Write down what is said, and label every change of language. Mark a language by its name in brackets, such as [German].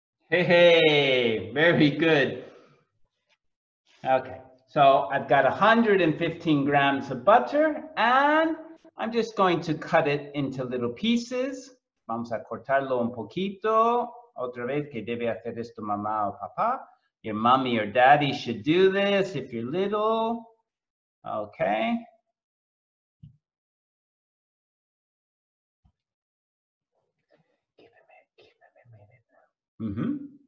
[English] Hey, very good. Okay, so I've got 115 grams of butter, and I'm just going to cut it into little pieces. [Spanish] Vamos a cortarlo un poquito. Otra vez, que debe hacer esto mamá o papá. [English] Your mommy or daddy should do this if you're little. Okay. Give me a minute now. Mm-hmm.